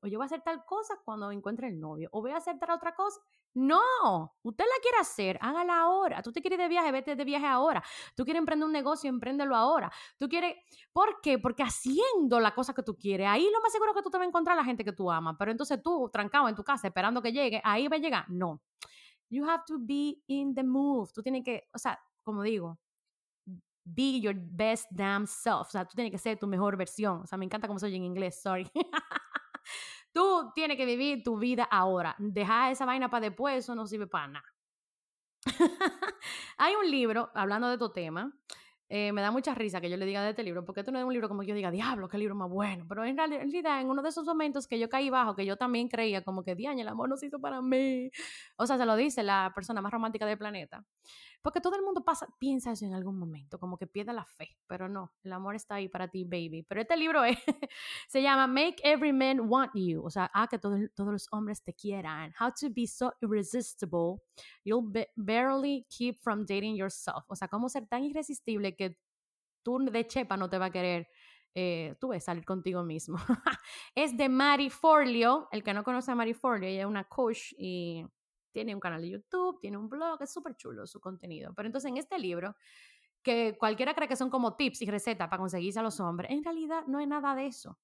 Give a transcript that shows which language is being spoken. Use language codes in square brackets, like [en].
[es] O yo voy a hacer tal cosa cuando encuentre el novio. O voy a hacer tal otra cosa. ¡No! Usted la quiere hacer, hágala ahora. Tú te quieres ir de viaje, vete de viaje ahora. Tú quieres emprender un negocio, empréndelo ahora. Tú quieres... ¿Por qué? Porque haciendo la cosa que tú quieres, ahí lo más seguro es que tú te vas a encontrar a la gente que tú amas. Pero entonces tú, trancado en tu casa, esperando que llegue, ahí va a llegar. No. [en] You have to be in the move. [es] Tú tienes que... O sea, como digo, [en] be your best damn self. [es] O sea, tú tienes que ser tu mejor versión. O sea, me encanta cómo se oye en inglés. Sorry. Tú tienes que vivir tu vida ahora. Deja esa vaina para después, eso no sirve para nada. Hay un libro, hablando de tu tema, Me da mucha risa que yo le diga de este libro, porque esto no es un libro como que yo diga, diablo, qué libro más bueno. Pero en realidad, en uno de esos momentos que yo caí bajo, que yo también creía como que, diaña, el amor no se hizo para mí. O sea, se lo dice la persona más romántica del planeta. Porque todo el mundo pasa, piensa eso en algún momento, como que pierde la fe. Pero no, el amor está ahí para ti, baby. Pero este libro es, se llama Make Every Man Want You. O sea, haz que todos los hombres te quieran. [en] How to be so irresistible, you'll barely keep from dating yourself. [es] O sea, cómo ser tan irresistible que tú de chepa no te va a querer tú ves, salir contigo mismo. Es de Mari Forleo. El que no conoce a Mari Forleo, ella es una coach y tiene un canal de YouTube, tiene un blog, es súper chulo su contenido. Pero entonces en este libro, que cualquiera cree que son como tips y recetas para conseguirse a los hombres, en realidad no es nada de eso.